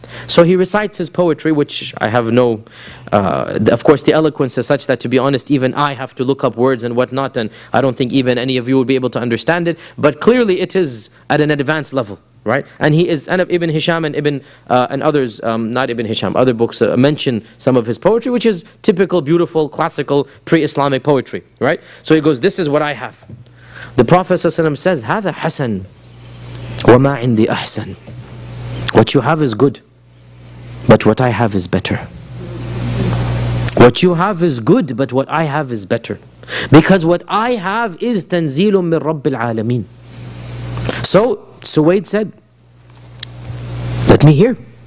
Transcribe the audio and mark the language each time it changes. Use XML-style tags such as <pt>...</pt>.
<en>So he recites his poetry, which I have no... of course, the eloquence is such that, to be honest, even I have to look up words and whatnot, and I don't think even any of you would be able to understand it. But clearly it is at an advanced level, right? And he is... And Ibn Hisham and Ibn... and others, not Ibn Hisham, other books mention some of his poetry, which is typical, beautiful, classical, pre-Islamic poetry, right? So he goes, this is what I have. The Prophet ﷺ says,</en> <ar>هَذَا حَسَنْ وَمَا عِنْدِي أَحْسَنْ.</ar> <en>What you have is good, but what I have is better. What you have is good, but what I have is better. Because what I have is</en> <ar>تَنْزِيلٌ مِنْ رَبِّ الْعَالَمِينَ.</ar> <en>So, Suwayd said, let me hear.</en>